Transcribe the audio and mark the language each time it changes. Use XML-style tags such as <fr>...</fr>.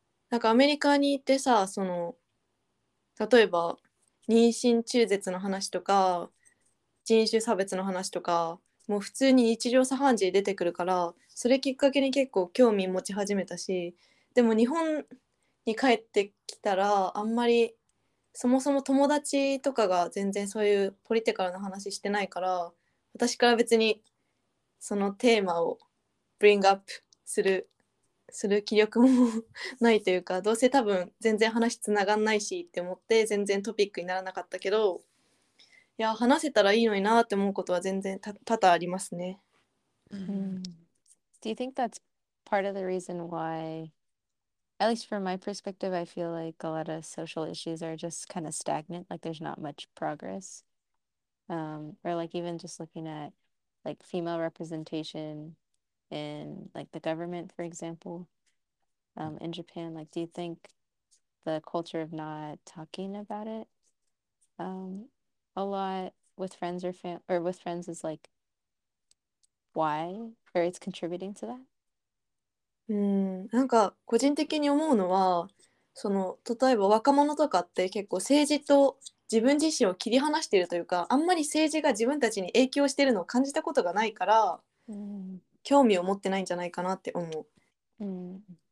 <ja>なんかアメリカに行ってさ、その例えば妊娠中絶の話とか人種差別の話とか、もう普通に日常茶飯事出てくるから、それきっかけに結構興味持ち始めたし、でも日本に帰ってきたらあんまり、そもそも友達とかが全然そういうポリティカルな話してないから、私から別にそのテーマをブリングアップする気力もないというか、どうせ多分全然話つながんないしって思って全然トピックにならなかったけど、いや話せたらいいのになって思うことは全然多々ありますね。</ja> <en>Do you think that's part of the reason why, at least from my perspective, I feel like a lot of social issues are just kind of stagnant, like there's not much progress? Or like even just looking at like female representation in like the government, for example, in Japan, like do you think the culture of not talking about it a lot with friends or family or with friends is like why or it's contributing to that?</en> <ja>なんか個人的に思うのは、その例えば若者とかって結構政治と自分自身を切り離しているというか、あんまり政治が自分たちに影響しているのを感じたことがないから、興味を持ってないんじゃないかなって思う。</ja>